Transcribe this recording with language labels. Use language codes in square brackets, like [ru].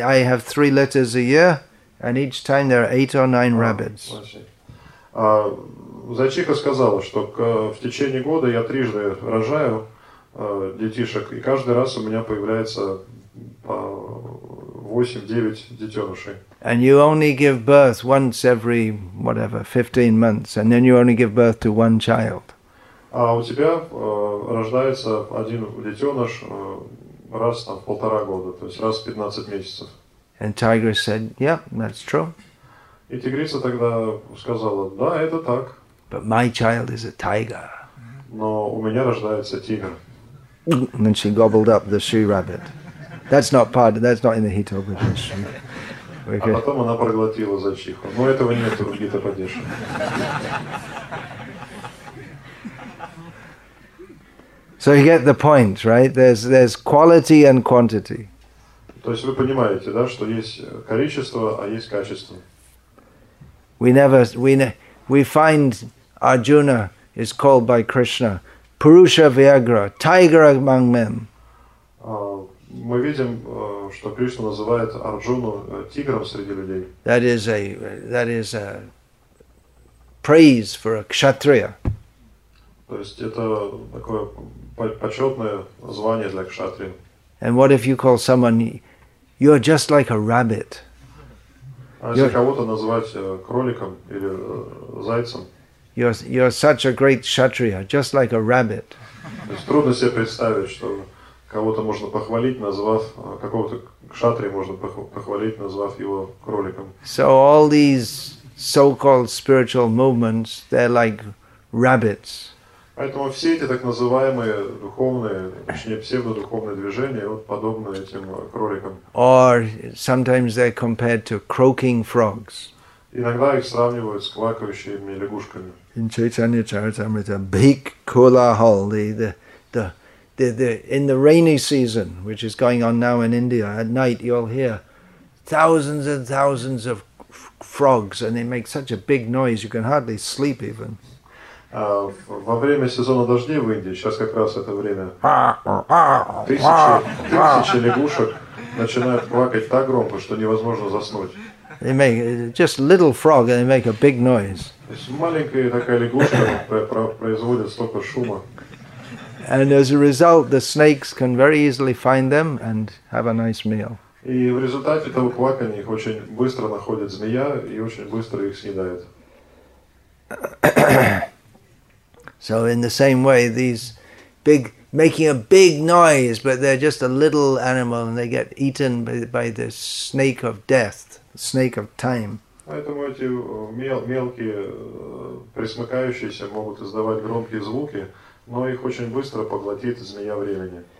[en] have 3 litters a year, and each time there are 8 or 9 rabbits. [ru] Зайчиха сказала, что в течение года я трижды рожаю детишек, и каждый раз у меня появляется 8-9 детенышей. [en] And you only give birth once every, 15 months, and then you only give birth to one child. [ru] А у тебя рождается один детеныш раз в полтора года, то есть раз в 15 месяцев. [en] And tigress said, yeah, that's true. [ru] И тигрица тогда сказала, да, это так. [en] But my child is a tiger. [ru] Но у меня рождается тигр. [en] And then she gobbled up the she-rabbit. That's not in the Hitopadesh. [ru] Okay. А потом она проглотила зайчиху. Но этого нет в Гитападеше. [en] So you get the point, right? There's quality and quantity. [ru] То есть вы понимаете, да, что есть количество, а есть качество. [en] We find Arjuna is called by Krishna Purusha Vyagra, tiger among men. [ru] Мы видим, что Кришна называет Арджуну тигром среди людей. [en] That is a praise for a kshatriya. [ru] То есть это такое почетное звание для кшатрия. [en] And what if you call someone, you're just like a rabbit? [ru] А если кого-то назвать кроликом или зайцем? [en] You're such a great kshatriya, just like a rabbit. [ru] То есть трудно себе представить, что кого-то можно похвалить, назвав какого-то кшатрия можно похвалить, назвав его кроликом. [en] So all these so-called spiritual movements, they're like rabbits. [ru] Поэтому все эти так называемые духовные, точнее псевдодуховные движения, вот подобны этим кроликам. [en] Or sometimes they're compared to croaking frogs. [ru] Иногда их сравнивают с квакающими лягушками. [en] In Chaitanya Charitamrita, Bhikkhulahol, the in the rainy season, which is going on now in India, at night you'll hear thousands and thousands of frogs, and they make such a big noise you can hardly sleep even. [ru] Во время сезона дождей в Индии, сейчас как раз это время, тысячи лягушек начинают плакать так громко, что невозможно заснуть. [en] They make just little frog, and they make a big noise. [ru] Маленькая такая лягушка производит столько шума. [en] And as a result, the snakes can very easily find them and have a nice meal. [ru] И в результате того квакания их очень быстро находит змея и очень быстро их съедает. [en] So in the same way, these big making a big noise, but they're just a little animal, and they get eaten by the snake of death. Snake of time. [ru] Поэтому эти мелкие присмыкающиеся могут издавать громкие звуки, но их очень быстро поглотит змея времени.